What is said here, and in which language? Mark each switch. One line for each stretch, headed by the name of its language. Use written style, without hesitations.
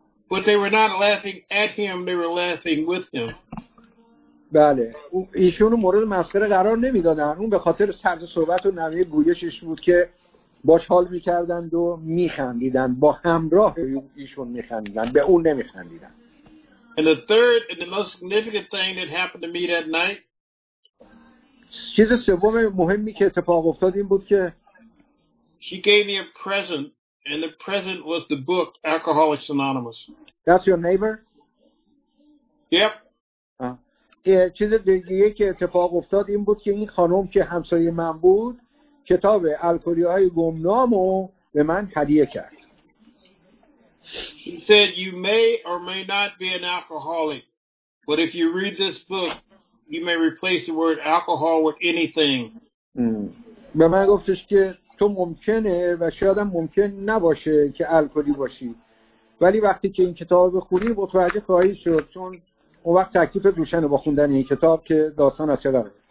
English: But they were not laughing at him, they were laughing with him.
Persian: بله. ایشون رو مورد مسخره قرار نمیدادن. اون به خاطر طرز صحبت و نحوه گویشش بود که باش حال میکردند و میخندیدن. با همراه ایشون میخندیدن. به اون نمیخندیدن.
English: And the third and the most significant thing that happened to me that night.
Persian: چیز سوم مهمی که اتفاق افتاد این بود که
English: She gave me a present. And the present was the book Alcoholics Anonymous. That's your neighbor? Yep.
Persian: چیز دیگه که اتفاق افتاد این بود که این خانم که همسایه من بود کتاب الکلی‌های گمنام رو به من هدیه کرد.
English: She said you may or may not be an alcoholic, but if you read this book, you may replace the word alcohol with anything.
Persian: به من گفتش که تو ممکنه و شاید هم ممکن نباشه که الکلی باشی، ولی وقتی که این کتاب بخونی متوجه خواهی شد، چون اون وقت تکلیف روشنه با خوندن این کتاب که داستان از چه داره.